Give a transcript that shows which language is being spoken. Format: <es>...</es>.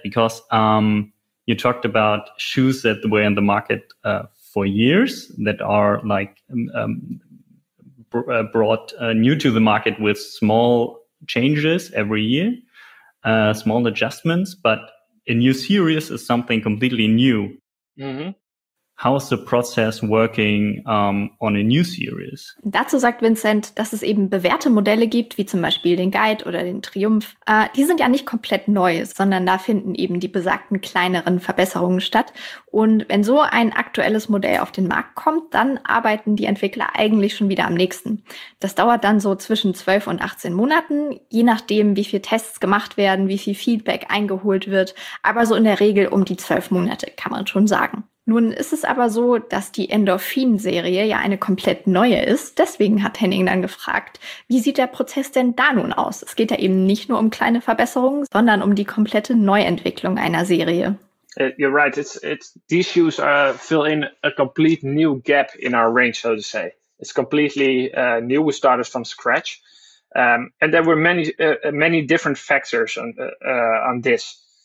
<en>Because you talked about shoes that were in the market for years that are like brought new to the market with small changes every year, small adjustments. But a new series is something completely new. Mm-hmm. How is the process working on a new series?</en> <de>Dazu sagt Vincent, dass es eben bewährte Modelle gibt, wie zum Beispiel den Guide oder den Triumph. Die sind ja nicht komplett neu, sondern da finden eben die besagten kleineren Verbesserungen statt. Und wenn so ein aktuelles Modell auf den Markt kommt, dann arbeiten die Entwickler eigentlich schon wieder am nächsten. Das dauert dann so zwischen 12 und 18 Monaten, je nachdem, wie viel Tests gemacht werden, wie viel Feedback eingeholt wird. Aber so in der Regel um die 12 Monate, kann man schon sagen. Nun ist es aber so, dass die Endorphin-Serie ja eine komplett neue ist. Deswegen hat Henning dann gefragt, wie sieht der Prozess denn da nun aus? Es geht ja eben nicht nur um kleine Verbesserungen, sondern um die komplette Neuentwicklung einer Serie.</de> <en>You're right. These shoes fill in a complete new gap in our range, so to say. It's completely new. We started from scratch. And there were many different factors on this.</en>